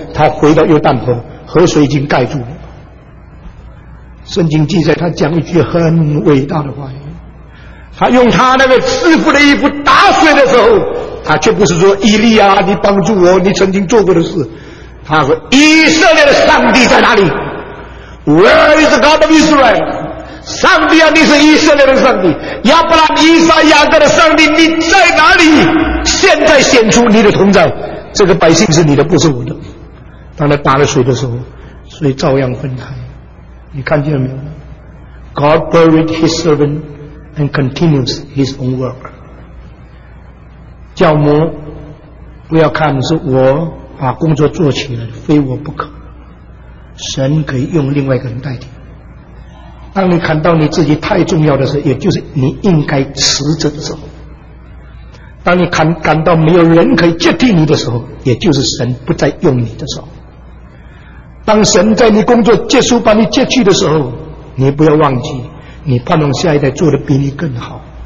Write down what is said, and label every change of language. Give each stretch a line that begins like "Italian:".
Chinese: 他回到约旦河，河水已经盖住了。圣经记载他讲一句很伟大的话语，他用他那个师父的衣服打水的时候，他却不是说以利亚你帮助我，你曾经做过的事，他说以色列的上帝在哪里？
English: Where is the God of Israel?
Chinese: 上帝啊，你是以色列的上帝，亚伯拉罕以撒雅各的上帝，你在哪里？现在显出你的同在，这个百姓是你的，不是我的。当他打了水的时候，水照样分开，你看见了没有？
English: God buried his servant and continues his own work。
Chinese: 教母不要看是我把工作做起来，非我不可，神可以用另外一个人代替。当你看到你自己太重要的时候，也就是你应该辞职的时候，当你感到没有人可以接替你的时候，也就是神不再用你的时候，当神在你工作结束把你接去的时候，你不要忘记你盼望下一代做得比你更好。